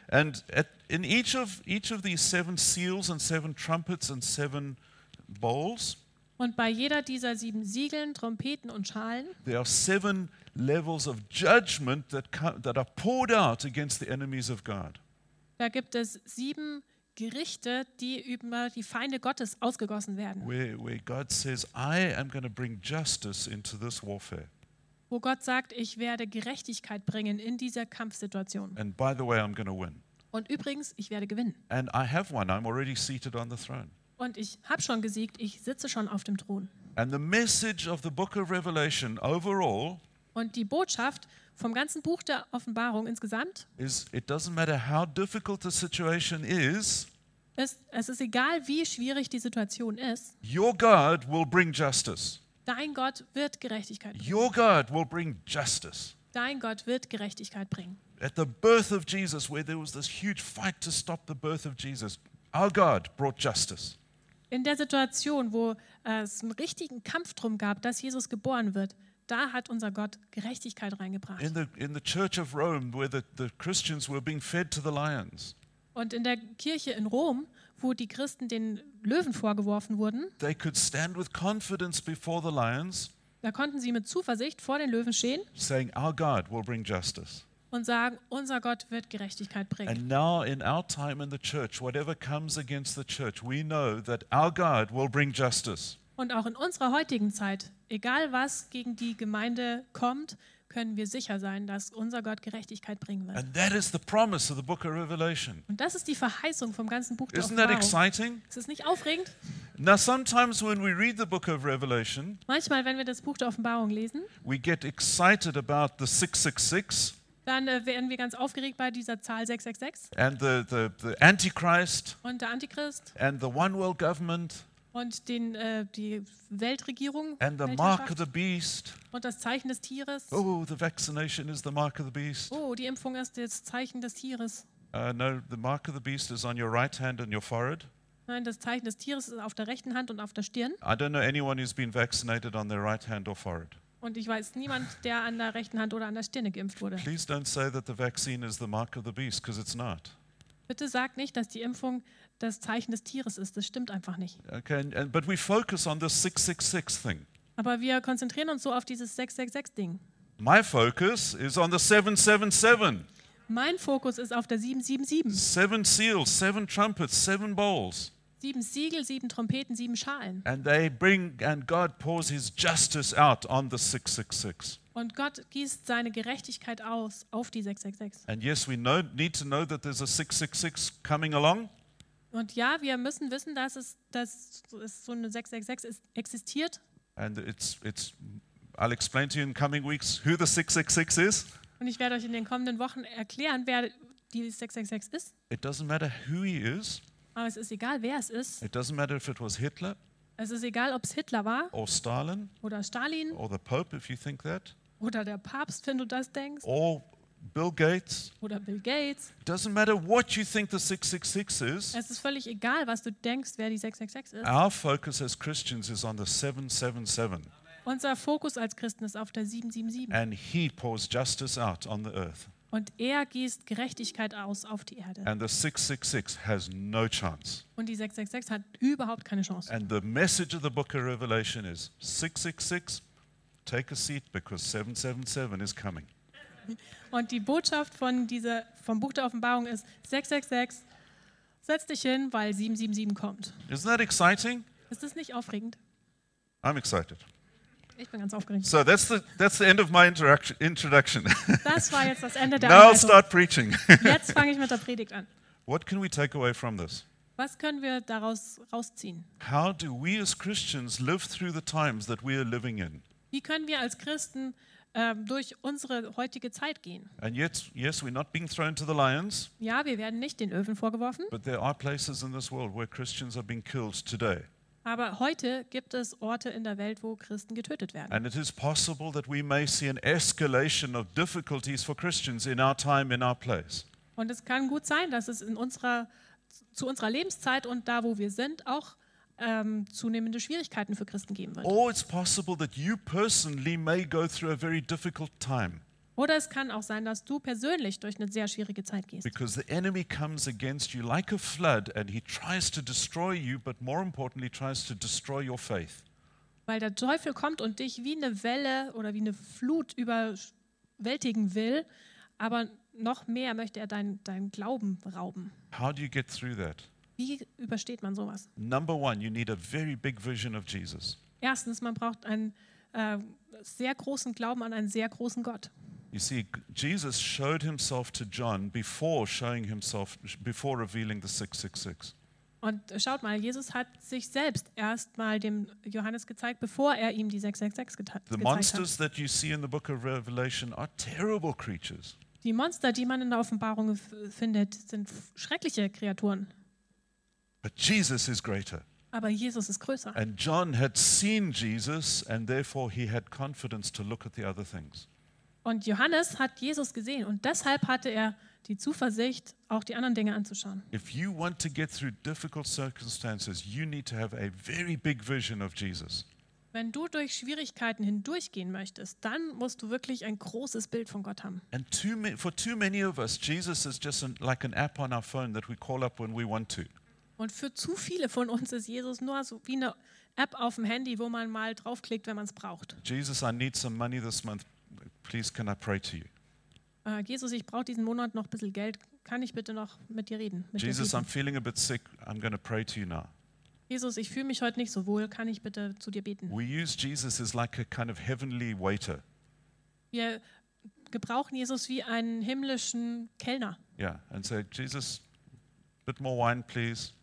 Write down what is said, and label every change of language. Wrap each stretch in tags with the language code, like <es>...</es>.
<en>And in each of these seven seals and seven trumpets and seven bowls.</en> <de>Und bei jeder dieser sieben Siegeln, Trompeten und Schalen.</de> <en>There are seven levels of judgment that are poured out against the enemies of God.</en> <de>Da gibt es sieben Gerichte, die über die Feinde Gottes ausgegossen werden.</de> <en>Where God says, I am going to bring justice into this warfare.</en> <de>Wo Gott sagt, ich werde Gerechtigkeit bringen in dieser Kampfsituation.</de> <en>And by the way, I'm gonna win.</en> <de>Und übrigens, ich werde gewinnen.</de> <en>And I have won. I'm already seated on the throne.</en> <de>Und ich habe schon gesiegt, ich sitze schon auf dem Thron.</de> <en>And the message of the book of Revelation overall,</en> <de>und die Botschaft vom ganzen Buch der Offenbarung insgesamt,</de> <en>is it doesn't matter how difficult the situation is.</en> <de>Es ist egal, wie schwierig die Situation ist.</de> <en>Your God will bring justice.</en> <de>Dein Gott wird Gerechtigkeit bringen.</de> <en>Your God will bring justice.</en> <de>Dein Gott wird Gerechtigkeit bringen.</de> <en>At the birth of Jesus, where there was this huge fight to stop the birth of Jesus, our God brought justice.</en> <de>In der Situation, wo es einen richtigen Kampf drum gab, dass Jesus geboren wird, da hat unser Gott Gerechtigkeit reingebracht.</de> <en>In the Church of Rome, where the Christians were being fed to the lions.</en> <de>Und in der Kirche in Rom, wo die Christen den Löwen vorgeworfen wurden,</de> <en>they could stand with confidence before the lions,</en> <de>da konnten sie mit Zuversicht vor den Löwen stehen,</de> <en>saying, our God will bring justice.</en> <de>Und sagen, unser Gott wird Gerechtigkeit bringen.</de> <en>And now in our time in the church, whatever comes against the church, we know that our God will bring justice.</en> <de>Und auch in unserer heutigen Zeit, egal was gegen die Gemeinde kommt, können wir sicher sein, dass unser Gott Gerechtigkeit bringen wird.</de> <en>And that is the promise of the book of Revelation.</en> <de>Und das ist die Verheißung vom ganzen Buch der</de> <en>Offenbarung. Isn't that exciting?</en> <de>Ist es nicht aufregend?</de> <en>Now sometimes when we read the book of Revelation,</en> <de>manchmal, wenn wir das Buch der Offenbarung lesen,</de> <en>we get excited about the 666.</en> <de>Dann werden wir ganz aufgeregt bei dieser Zahl 666.</de> <en>And the Antichrist.</en> <de>Und der Antichrist.</de> <en>And the one world government.</en> <de>Und die Weltregierung.</de> <en>And the mark of the beast.</en> <de>Und das Zeichen des Tieres.</de> <en>Oh, the vaccination is the mark of the beast.</en> <de>Oh, die Impfung ist das Zeichen des Tieres.</de> <en>No, the mark of the beast is on your right hand and your forehead.</en> <de>Nein, das Zeichen des Tieres ist auf der rechten Hand und auf der Stirn.</de> <en>I don't know anyone who's been vaccinated on their right hand or forehead.</en> <de>Und ich weiß niemand, der an der rechten Hand oder an der Stirn geimpft wurde.</de> <en>Please don't say that the vaccine is the mark of the beast, because it's not.</en> <de>Bitte sag nicht, dass die Impfung das Zeichen des Tieres ist. Das stimmt einfach nicht.</de> <en>Okay, but we focus on this 666 thing.</en> <de>Aber wir konzentrieren uns so auf dieses 666 Ding.</de> <en>My focus is on the 777.</en> <de>Mein Fokus ist auf der 777.</de> <en>Seven seals, seven trumpets, seven bowls.</en> <de>Sieben Siegel, sieben Trompeten, sieben Schalen.</de> <en>And they bring and God pours his justice out on the 666.</en> <de>Und Gott gießt seine Gerechtigkeit aus auf die 666.</de> <en>And yes, we know, need to know that there's a 666 coming along.</en> <de>Und ja, wir müssen wissen, dass es so eine 666 existiert.</de> <en>And it's I'll explain to you in coming weeks who the 666 is.</en> <de>Und ich werde euch in den kommenden Wochen erklären, wer die 666 ist.</de> <en>It doesn't matter who he is.</en> <de>Aber es ist egal, wer es ist.</de> <en>It doesn't matter if it was Hitler.</en> <de>Es ist egal, ob es Hitler war.</de> <en>Or Stalin.</en> <de>Oder Stalin.</de> <en>Or the Pope, if you think that.</en> <de>Oder der Papst, wenn du das denkst.</de> <en>Or Bill Gates.</en> <de>Oder Bill Gates.</de> <en>It doesn't matter what you think the 666 is.</en> <de>Es ist völlig egal, was du denkst, wer die 666 ist.</de> <en>Our focus as Christians is on the 777.</en> <de>Unser Fokus als Christen ist auf der 777.</de> <en>And he pours justice out on the earth.</en> <de>Und er gießt Gerechtigkeit aus auf die Erde.</de> <en>And the 666 has no chance.</en> <de>Und die 666 hat überhaupt keine Chance.</de> <en>And the message of the book of Revelation is 666, take a seat because 777 is coming.</en> <de>Und die Botschaft vom Buch der Offenbarung ist 666, setz dich hin, weil 777 kommt.</de> <en>Isn't that exciting?</en> <de>Ist das nicht aufregend?</de> <en>I'm excited.</en> <de>Ich bin ganz aufgeregt.</de> <en>So that's the end of my introduction.</en> <de>Das war jetzt das Ende der</de> <en>Now I'll start preaching.</en> <de>Jetzt fange ich mit der Predigt an.</de> <en>What can we take away from this?</en> <de>Was können wir daraus rausziehen?</de> <en>How do we as Christians live through the times that we are living in?</en> <de>Wie können wir als Christen durch unsere heutige Zeit gehen?</de> <en>And yet, yes, we're not being thrown to the lions.</en> <de>Ja, wir werden nicht den Löwen vorgeworfen.</de> <en>But there are places in this world where Christians are being killed today.</en> <de>Aber heute gibt es Orte in der Welt, wo Christen getötet werden.</de> <en>And it is possible that we may see an escalation of difficulties for Christians in our time, in our place.</en> <de>Und es kann gut sein, dass es zu unserer Lebenszeit und da, wo wir sind, auch zunehmende Schwierigkeiten für Christen geben wird.</de> <en>Or it's possible that you personally may go through a very difficult time.</en> <de>Oder es kann auch sein, dass du persönlich durch eine sehr schwierige Zeit gehst.</de> <en>Because the enemy comes against you like a flood and he tries to destroy you, but more importantly tries to destroy your faith.</en> <de>Weil der Teufel kommt und dich wie eine Welle oder wie eine Flut überwältigen will, aber noch mehr möchte er deinen Glauben rauben.</de> <en>How do you get through that?</en> <de>Wie übersteht man sowas?</de> <en>Number one, you need a very big vision of Jesus.</en> <de>Erstens, man braucht einen sehr großen Glauben an einen sehr großen Gott.</de> <en>You see, Jesus showed himself to John before showing himself, before revealing the 666.</en> <de>Und schaut mal, Jesus hat sich selbst erstmal dem Johannes gezeigt, bevor er ihm die 666 gezeigt hat.</de> <en>The monsters that you see in the book of Revelation are terrible creatures.</en> <de>Die Monster, die man in der Offenbarung findet, sind schreckliche Kreaturen.</de> <en>But Jesus is greater.</en> <de>Aber Jesus ist größer.</de> <en>And John had seen Jesus and therefore he had confidence to look at the other things.</en> <de>Und Johannes hat Jesus gesehen und deshalb hatte er die Zuversicht, auch die anderen Dinge anzuschauen.</de> <en>If you want to get through difficult circumstances, you need to have a very big vision of Jesus.</en> <de>Wenn du durch Schwierigkeiten hindurchgehen möchtest, dann musst du wirklich ein großes Bild von Gott haben.</de> <en>And for too many of us, Jesus is just like an app on our phone that we call up when we want to.</en> <de>Und für zu viele von uns ist Jesus nur so wie eine App auf dem Handy, wo man mal draufklickt, wenn man es braucht.</de> <en>Jesus, I need some money this month. Please, can I pray to you?</en> <de>Jesus, ich brauche diesen Monat noch ein bisschen Geld. Kann ich bitte noch mit dir reden? Mit Jesus, dir reden?</de> <en>I'm feeling a bit sick. I'm going to pray to you now.</en> <de>Jesus, ich fühle mich heute nicht so wohl. Kann ich bitte zu dir beten?</de> <en>We use Jesus as like a kind of heavenly waiter.</en> <de>Wir gebrauchen Jesus wie einen himmlischen Kellner.</de> <en>Yeah, and say, Jesus, a bit more wine, please.</en>